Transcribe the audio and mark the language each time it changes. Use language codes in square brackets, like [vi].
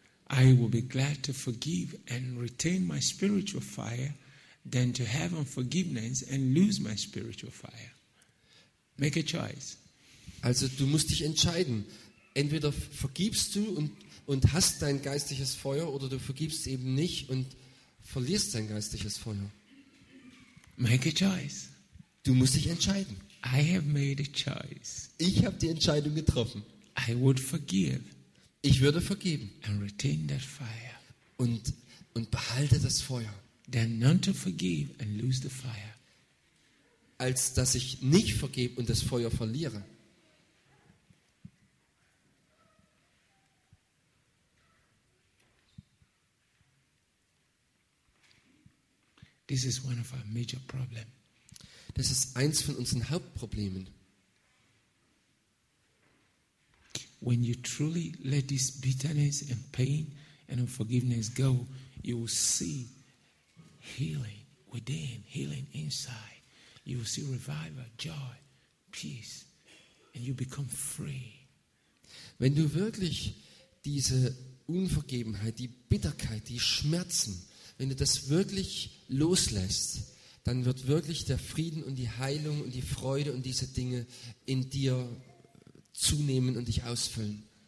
[en] I will be glad to forgive and retain my spiritual fire than to have unforgiveness and lose my spiritual fire. Make a choice. [de] Also du musst dich entscheiden. Entweder vergibst du und hast dein geistliches Feuer, oder du vergibst eben nicht und verlierst dein geistliches Feuer. [en] Make a choice. [de] Du musst dich entscheiden. [en] I have made a choice. [de] Ich habe die Entscheidung getroffen. [en] I would forgive. [de] Ich würde vergeben. [en] And retain that fire. [de] Und behalte das Feuer. [en] Than not to forgive and lose the fire. [de] Als dass ich nicht vergebe und das Feuer verliere. [en] This is one of our major problems. [de] Das ist eins von unseren Hauptproblemen. [en] When you truly let this bitterness and pain and unforgiveness go, you will see healing within, healing inside. You will see revival, joy, peace, and you become free. [de] Wenn du wirklich diese Unvergebenheit, die Bitterkeit, die Schmerzen, wenn du das wirklich loslässt, dann wird wirklich der Frieden und die Heilung und die Freude und diese Dinge in dir zunehmen und dich ausfüllen.